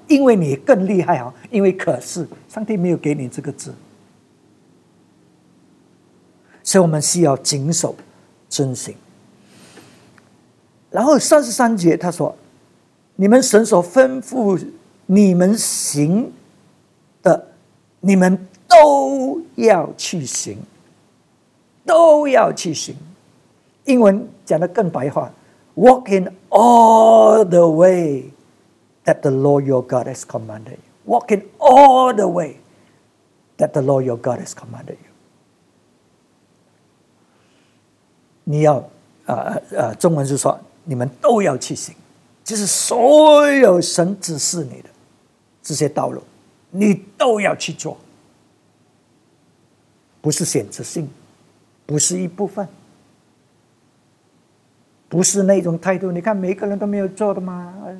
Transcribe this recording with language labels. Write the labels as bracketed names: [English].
[Chinese] 因为你更厉害啊！因为可是上帝没有给你这个字，所以我们需要谨守遵行。然后三十三节他说，你们神所吩咐你们行的，你们都要去行，都要去行。英文讲的更白话， [English] Walk in all the way that the Lord your God has commanded you. Walk in all the way that the Lord your God has commanded you. [Chinese] 你要中文是说你们都要去行，就是所有神指示你的这些道路你都要去做，不是选择性，不是一部分，不是那种态度，你看每个人都没有做的吗？